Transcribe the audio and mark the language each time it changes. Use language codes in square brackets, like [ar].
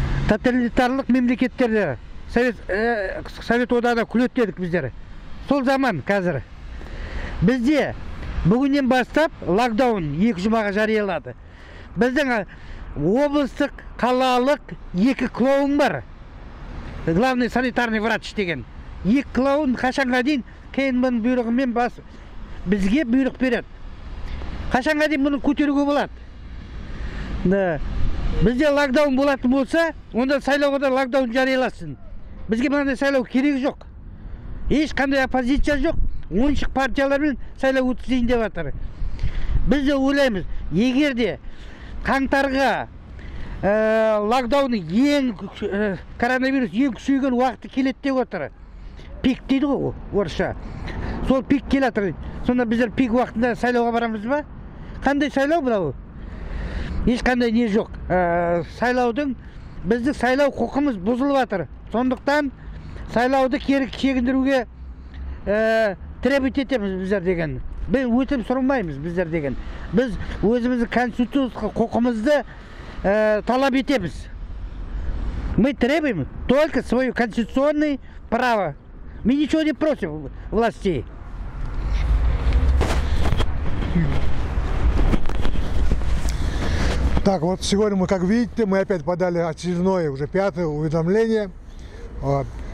[kk] Тоталитарлық мемлекеттерді, Совет одағына күлет дедік біздер. Сол заман қазір. Бізде бүгіннен бастап локдаун 2 жұмаға жариялады. Біздің облыстық, қалалық 2 клоун бар. [ru] Главный санитарный врач деген. [kk] 2 клоун қашанға дейін кейінбің бұйрығымен бас, бізге бұйрық береді. Қашанға дейін бұның көтеруге болады. Да. Бізде локдаун болатын болса, онда сайлауда локдаун жарияласын. Бізге мынандай сайлау керек жоқ. Ешқандай оппозиция жоқ. Оншық партиялармен сайлау өткізейін деп жатыр. Біз де ойлаймыз, егер де қаңтарға локдаун коронавирус ең күшейген уақыты келеді деп жатыр. Пик дейді ғой орысша. Сол пик келе жатыр. Сонда біздер пик уақытында сайлауға барамыз ба? Қандай сайлау бұл? Ешқандай не жоқ. Сайлаудың, біздің сайлау құқымыз бұзылып жатыр. Сондықтан сайлауды кері шегіндіруге требовать етеміз біздер деген. Біз өтім сұрамаймыз біздер деген. Біз өзіміздің конституциялық құқымызды талап етеміз. [ru] Мы требуем только свое конституционное право. Мы ничего не просим властей. Так, вот сегодня мы, как видите, мы опять подали очередное, уже 5-е уведомление. Вот.